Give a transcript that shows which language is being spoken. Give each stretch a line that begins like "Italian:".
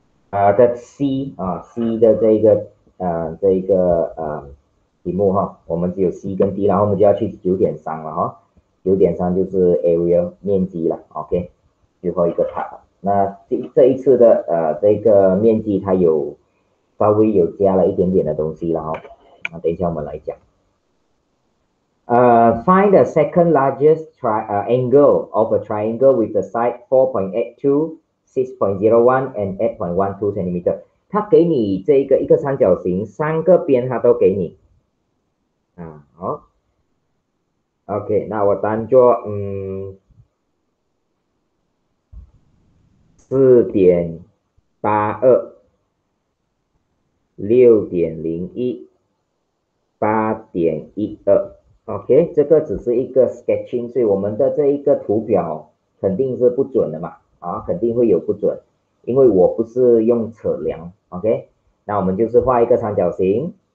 Chinese: 的 C 啊 ，C 的这个这个题目哈，我们只有 C 跟 D， 然后我们就要去 9.3 了哈，9.3 就是 area 面积了 ，OK， 最后一个 part 了。那这一次的这个面积它有稍微有加了一点点的东西了哈，那等一下我们来讲。
English: Find the second largest angle of a triangle with the side 4.82, 6.01 and 8.12 centimeter.
Chinese: 它给你这一个一个三角形，三个边它都给你。啊，好。 OK， 那我当做4.82 6.01 8.12OK， 这个只是一个 sketching， 所以我们的这一个图表肯定是不准的嘛，啊，肯定会有不准，因为我不是用尺量 ，OK， 那我们就是画一个三角形，